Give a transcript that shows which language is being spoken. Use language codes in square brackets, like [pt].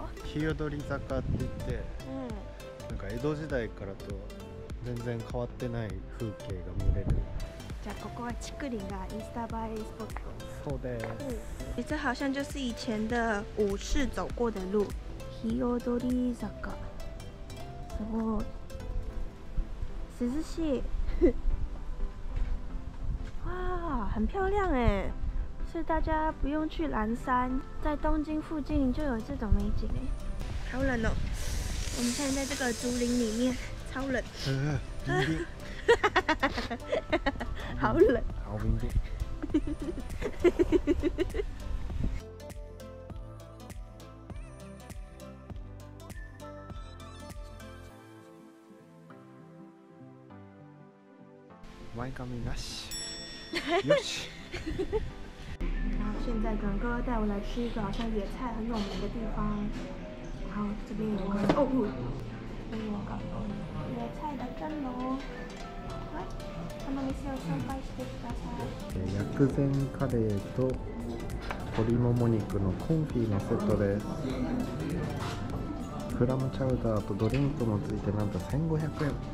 [ja] 日和通り坂って言って、なんか江戸時代からと全然変わってない風景が見れる。じゃあここは竹林がインスタ映えスポット。そうです。 [zh] 这好像就是以前的武士走过的路。 [ja] 日和通り坂。すごい。涼しい。 [zh] 哇，很漂亮哎。是大家不用去岚山，在东京附近就有这种美景哎。好冷哦，我们现在在这个竹林里面，超冷。冰冰。好冷。好冰冰。 [ja] 前髪なし。よし。 [zh] 现在准哥带我来吃一个好像野菜很有名的地方，然后这边有个哦，这是我搞的野菜的蒸笼。 [ja] 来，この店を紹介してください。薬膳カレーと鶏もも肉のコンフィのセットです。クラムチャウダーとドリンクもついてなんと1500円。